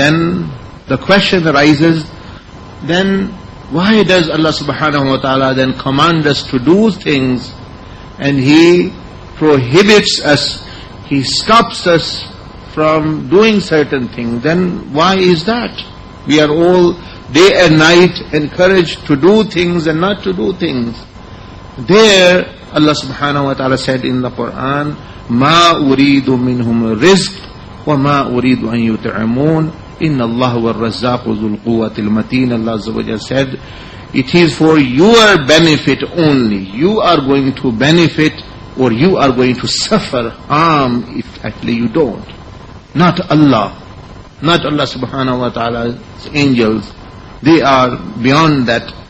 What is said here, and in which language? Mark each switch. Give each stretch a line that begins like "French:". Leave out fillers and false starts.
English: Then the question arises, then why does Allah subhanahu wa ta'ala then command us to do things and He prohibits us, He stops us from doing certain things? Then why is that? We are all day and night encouraged to do things and not to do things. There Allah subhanahu wa ta'ala said in the Quran,
Arabic: مَا أُرِيدُ مِنْهُمْ رِزْقٍ وَمَا أُرِيدُ أَن يُطْعِمُونَ إِنَّ اللَّهُ وَالرَّزَّاقُ ذُو الْقُوَّةِ الْمَتِينَ.
English: Allah azza wa jal said, it is for your benefit only. You are going to benefit or you are going to suffer harm if actually you don't. Not Allah. Not Allah subhanahu wa ta'ala's angels. They are beyond that.